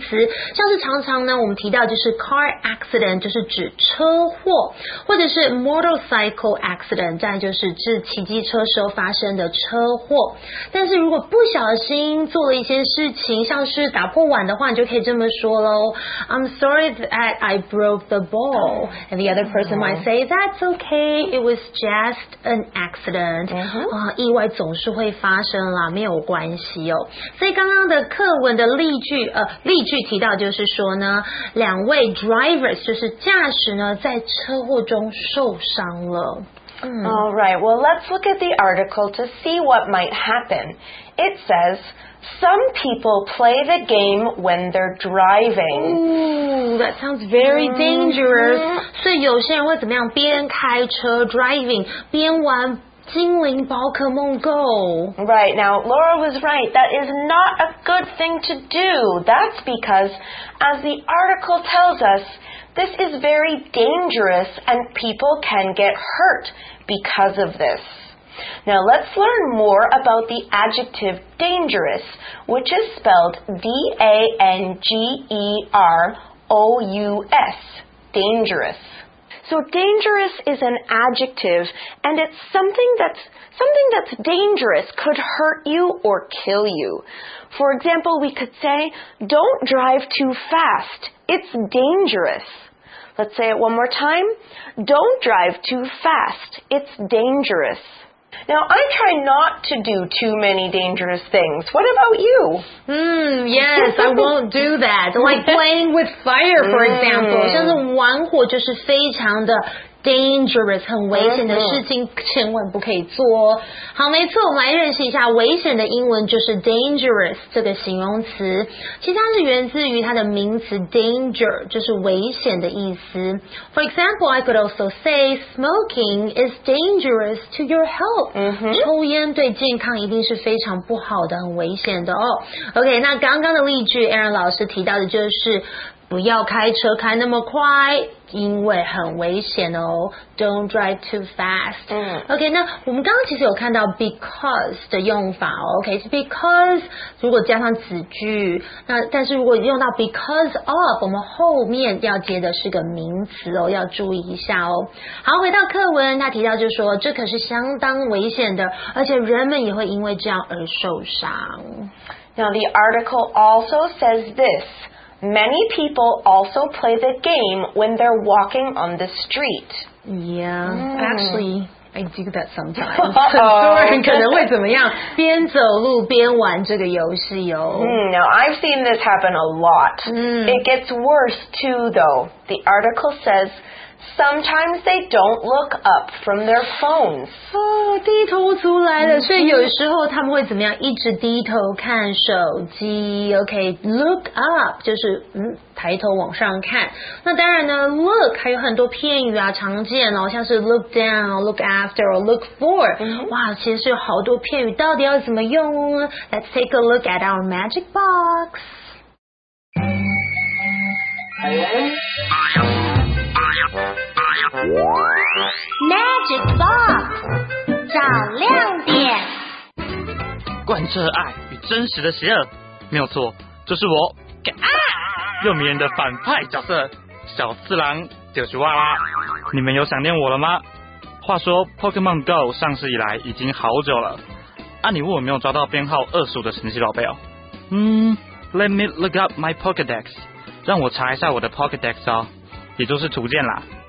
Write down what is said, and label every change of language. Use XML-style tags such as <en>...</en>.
<zh>像是常常呢，我们提到就是</zh> <en>car accident,</en> <zh>就是指车祸，或者是</zh> <en>motorcycle accident,</en> <zh>这样就是指骑机车时候发生的车祸。但是如果不小心做了一些事情，像是打破碗的话，你就可以这么说咯。</zh> <en>I'm sorry that I broke the ball. And the other person might say, that's okay, it was just an accident.</en> <zh>意外总是会发生啦，没有关系哦。所以刚刚的课文的例句提到就是说呢，两位 drivers, 就是驾驶呢，在车祸中受伤了。</zh> <en>All right, well, let's look at the article to see what might happen. It says, some people play the game when they're driving. Ooh, that sounds very dangerous.</en> <zh>Mm-hmm. 所以有些人会怎么样？边开车 driving, 边玩精灵宝可梦 Go.</zh> <en>Right, now, Laura was right. That is not a good thing to do. That's because, as the article tells us,This is very dangerous and people can get hurt because of this. Now let's learn more about the adjective dangerous, which is spelled D-A-N-G-E-R-O-U-S, dangerous. So dangerous is an adjective and it's something that's dangerous, could hurt you or kill you. For example, we could say, don't drive too fast, it's dangerous. Let's say it one more time. Don't drive too fast. It's dangerous. Now, I try not to do too many dangerous things. What about you? Yes, I won't do that. Like playing with fire, for example.</en> <zh>像是玩火就是非常的dangerous, 很危险的事情千万不可以做哦。好，没错，我们来认识一下危险的英文就是 dangerous 这个形容词。其实它是源自于它的名词 danger, 就是危险的意思。</zh> <en>For example, I could also say smoking is dangerous to your health.</en> <zh>抽烟对健康一定是非常不好的，很危险的哦。 OK, 那刚刚的例句 Aaron 老师提到的就是不要开车开那么快，因为很危险哦。</zh> <en>Don't drive too fast.</en> <zh>OK, 那我们刚刚其实有看到 because 的用法哦。 OK, so because 如果加上子句，那但是如果用到 because of, 我们后面要接的是个名词哦，要注意一下哦。好，回到课文，他提到就是说，这可是相当危险的，而且人们也会因为这样而受伤。</zh> <en>Now the article also says this. Many people also play the game when they're walking on the street. Yeah, actually, I do that sometimes.</en> <zh>很多人可能会怎么样？边走路边玩这个游戏哦。</zh> <en>Now, I've seen this happen a lot. It gets worse too, though. The article says... Sometimes they don't look up from their phones.</en> <zh>低头族来了，所以有时候他们会怎么样？一直低头看手机。 Okay, look up 就是抬头往上看。那当然呢 ，look 还有很多片语啊，常见哦，像是</zh> <en>look down, look after, or look for。</en> <zh>哇，其实有好多片语，到底要怎么用 ？</zh> <en>Let's take a look at our magic box.</en> <zh>Magic Box 找亮点，贯彻爱与真实的邪恶，没有错，就是我。又迷人的反派角色小四郎九十万啦，你们有想念我了吗？话说 Pokemon Go 上市以来已经好久了，你问我没有抓到编号25的神奇宝贝哦？</zh> <en>Let me look up my Pokedex，</en> <zh>让我查一下我的 Pokedex 哦，也就是图鉴啦。</zh>